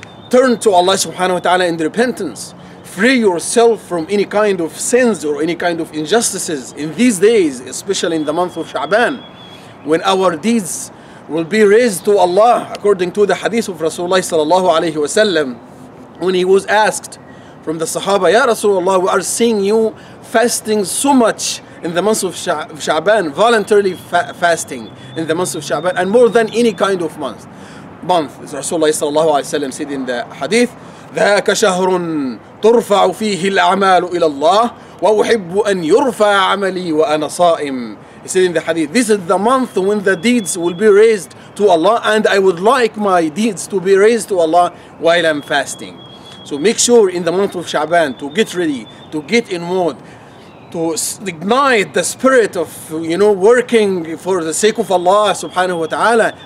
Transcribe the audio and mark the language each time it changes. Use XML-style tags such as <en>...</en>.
<en>Turn to Allah subhanahu wa ta'ala in repentance. Free yourself from any kind of sins or any kind of injustices in these days, especially in the month of Sha'ban, when our deeds will be raised to Allah according to the hadith of Rasulullah sallallahu alayhi wa sallam. when he was asked from the Sahaba, Ya Rasulullah, we are seeing you fasting so much in the month of Sha'ban, voluntarily fasting in the month of Sha'ban, and more than any kind of month.</en> <ar>Rasulullah sallallahu alayhi wa sallam said in the hadith, ذاك شهر ترفع فيه الأعمال إلى الله وأحب أن يرفع عملي وأنا صائم.</ar> <en>He said in the hadith, this is the month when the deeds will be raised to Allah, and I would like my deeds to be raised to Allah while I'm fasting. So make sure in the month of Sha'ban to get ready, to get in mood, to ignite the spirit of, you know, working for the sake of Allah subhanahu wa ta'ala.</en>